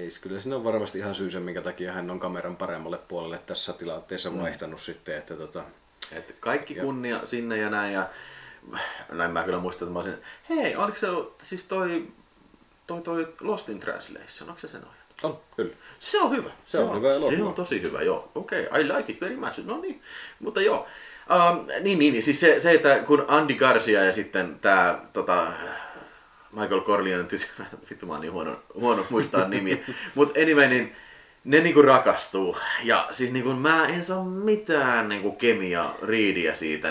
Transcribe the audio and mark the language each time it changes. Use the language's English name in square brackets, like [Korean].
[Finnish] Ei, kyllä siinä on varmasti ihan syy sen, minkä takia hän on kameran paremmalle puolelle tässä tilanteessa vaihtanut sitten. Että Et kaikki kunnia sinne ja näin. Ja näin mä kyllä muistan, että mä olisin, hei, oliko se siis toi Lost in Translation, onko se sen ohjelma? On, kyllä. Se on hyvä. Se on hyvä. Se on tosi hyvä, joo. [English] Okei, okay, I like it very much. [Finnish] No niin, mutta joo. Siis se, että kun Andy Garcia ja sitten tämä Michael Corleone tytön, vittu mä oon niin huono muistaa nimiä, mutta anyway, niin ne niinku rakastuu. Ja siis niinku mä en saa mitään niinku kemia riidiä siitä.